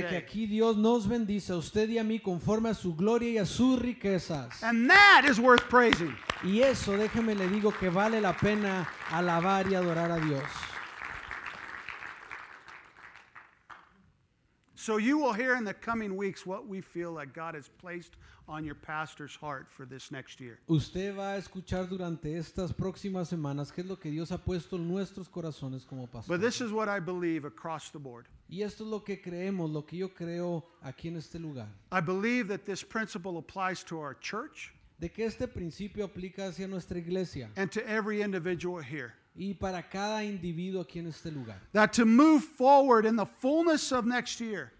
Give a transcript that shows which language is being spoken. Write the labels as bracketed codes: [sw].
[es] De que aquí Dios nos bendice a usted y a mí conforme a su gloria y a sus riquezas. [en] And that is worth praising. [es] Y eso déjeme le digo que vale la pena alabar y adorar a Dios. [en] So you will hear in the coming weeks what we feel like God has placed on your pastor's heart for this next year. [es] Usted va a escuchar durante estas próximas semanas qué es lo que Dios ha puesto en nuestros corazones como pastor. [en] But this is what I believe across the board. [es] Y esto es lo que creemos, lo que yo creo aquí en este lugar. [en] I believe that this principle applies to our church. [es] De que este principio aplica hacia nuestra iglesia. [en] And to every individual here. [es] Y para cada individuo aquí en este lugar. [en] That to move forward in the fullness of next year.